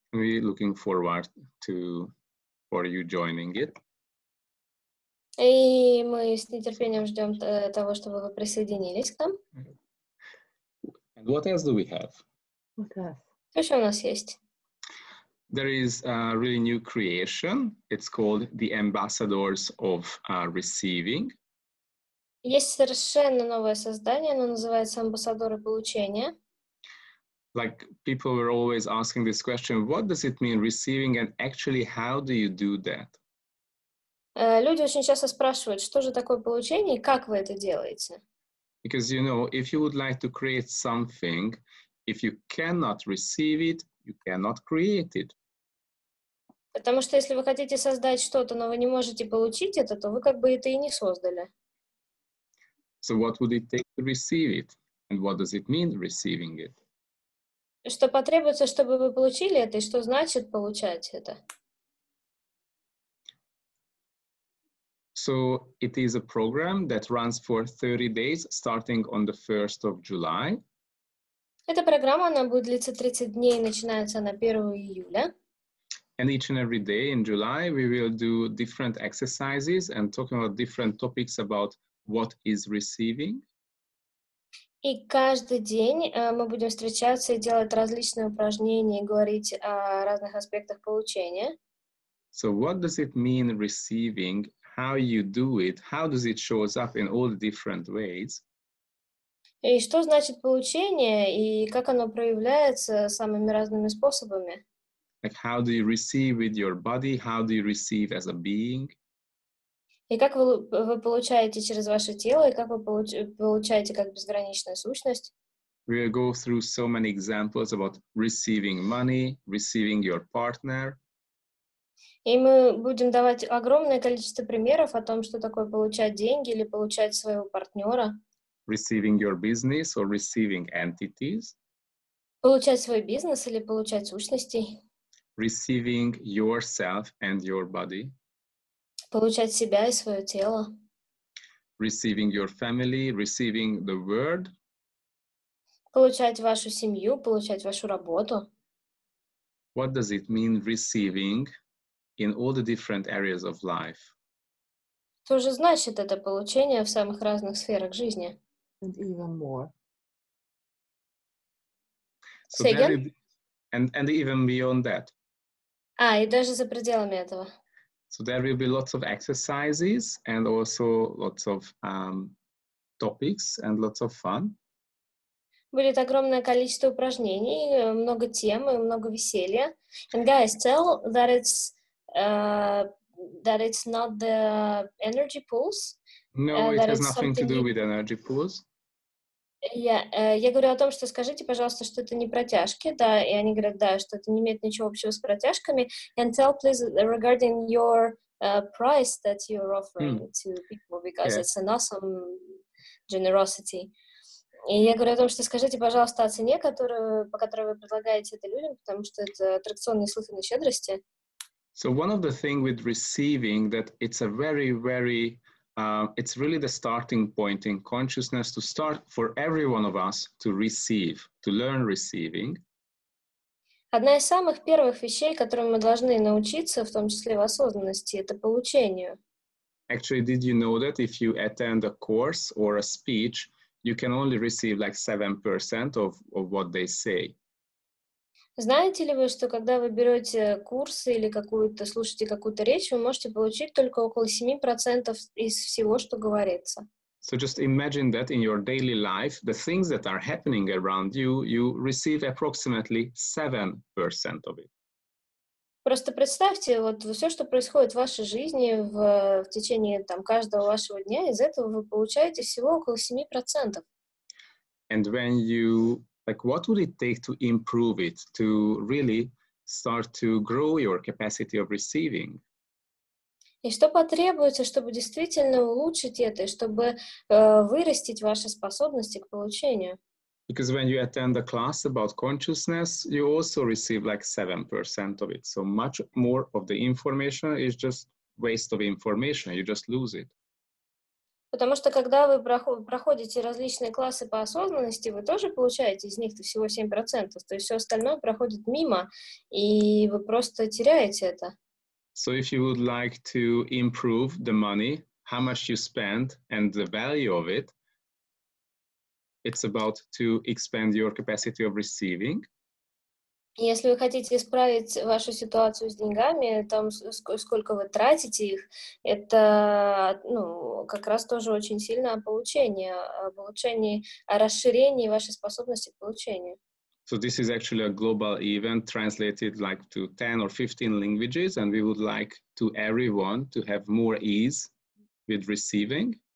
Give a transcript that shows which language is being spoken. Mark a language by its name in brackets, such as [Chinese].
[English] We're looking forward to for you joining it. [Russian] И мы с нетерпением ждем того, чтобы вы присоединились к нам. [English] And what else do we have? [Russian] Okay. Что еще у нас есть? [English] There is a really new creation. It's called the Ambassadors of Receiving. [Russian] Есть совершенно новое создание, оно называется Амбассадоры получения. [English] Like people were always asking this question, what does it mean receiving and actually how do you do that? [Russian] Люди очень часто спрашивают, что же такое получение и как вы это делаете? [English] Because you know, if you would like to create something, if you cannot receive it, you cannot create it. [Russian] Потому что если вы хотите создать что-то, но вы не можете получить это, то вы как бы это и не создали. [English] So what would it take to receive it? And what does it mean receiving it? [Russian] Что потребуется, чтобы вы получили это, и что значит получать это? [English] So it is a program that runs for 30 days, starting on the 1st of July. [Russian] Эта программа, она будет длиться 30 дней, начинается на 1 июля. [English] And each and every day in July, we will do different exercises and talking about different topics about what is receiving. [Russian] И каждый день мы будем встречаться и делать различные упражнения, говорить о разных аспектах получения. [English] So what does it mean receiving? How you do it? How does it show up in all the different ways? [Russian] И что значит получение, и как оно проявляется самыми разными способами? [English] Like how do you receive with your body? How do you receive as a being? [Russian] И как вы получаете через ваше тело, и как вы получаете как безграничная сущность? [English] We will go through so many examples about receiving money, receiving your partner. [Russian] И мы будем давать огромное количество примеров о том, что такое получать деньги или получать своего партнера. [English] Receiving your business or receiving entities. [Russian] Получать свой бизнес или получать сущности. [English] Receiving yourself and your body. [Russian] Получать себя и свое тело. [English] Receiving your family, receiving the world. [Russian] Получать вашу семью, получать вашу работу. [English] What does it mean receiving in all the different areas of life? [Russian] Что же значит это получение в самых разных сферах жизни? [English] And even more. So say again? And even beyond that. [Russian] А, и даже за пределами этого. [English] So there will be lots of exercises and also lots of topics and lots of fun. [Russian] Будет огромное количество упражнений, много тем и много веселья. [English] And guys, tell that it's not the energy pools. No, it has nothing to do with energy pools. [Russian] Я говорю о том, что скажите, пожалуйста, что это не протяжки, да, и они говорят, да, что это не имеет ничего общего с протяжками. [English] And tell, please, regarding your price that you're offering to people, because it's an awesome generosity. [Russian] И я говорю о том, что скажите, пожалуйста, о цене, по которой вы предлагаете это людям, потому что это аттракцион неслыханной щедрости. [English] So one of the things with receiving, that it's a very, very... it's really the starting point in consciousness to start for every one of us to receive, to learn receiving. [Russian] Одна из самых первых вещей, которым мы должны научиться, в том числе в осознанности, это получению. [English] Actually, did you know that if you attend a course or a speech, you can only receive like 7% of what they say? [Russian] Знаете ли вы, что когда вы берете курсы или какую-то, слушаете какую-то речь, вы можете получить только около 7% из всего, что говорится? [English] So just imagine that in your daily life, the things that are happening around you, you receive approximately 7% of it. [Russian] Просто представьте, вот все, что происходит в вашей жизни в течение там, каждого вашего дня, из этого вы получаете всего около 7%. [English] And when you... Like, what would it take to improve it, to really start to grow your capacity of receiving? [Russian] И что потребуется, чтобы действительно улучшить это, чтобы вырастить ваши способности к получению? [English] Because when you attend a class about consciousness, you also receive like 7% of it. So much more of the information is just waste of information. You just lose it. [Russian] Потому что когда вы проходите различные классы по осознанности, вы тоже получаете из них-то всего 7%. То есть все остальное проходит мимо, и вы просто теряете это. [English] So if you would like to improve the money, how much you spend and the value of it, it's about to expand your capacity of receiving. [Russian] Если вы хотите исправить вашу ситуацию с деньгами, там, сколько вы тратите их, это, ну, как раз тоже очень сильно о получении, о расширении вашей способности к получению. [English] So this is actually a global event translated like to 10 or 15 languages, and we would like to everyone to have more ease with receiving.